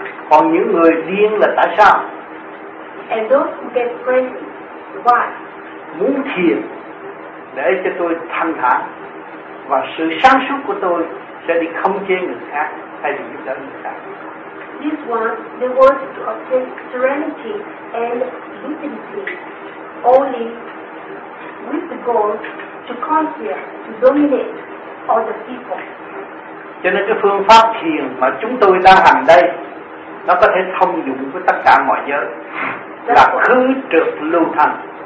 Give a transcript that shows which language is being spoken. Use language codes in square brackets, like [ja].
[vi] Còn những người điên là tại sao? [en] And those who get crazy, why? [vi] Muốn thiền để cho tôi thanh thản và sự sáng suốt của tôi sẽ đi khống chế người khác hay là giúp đỡ người khác. [en] This one, they want to obtain serenity and lucidity only with the goal to conquer, to dominate other people. [vi] Cho nên cái phương pháp thiền mà chúng tôi đang hành đây, nó có thể thông dụng với tất cả mọi giới, là khứ trược lưu thanh.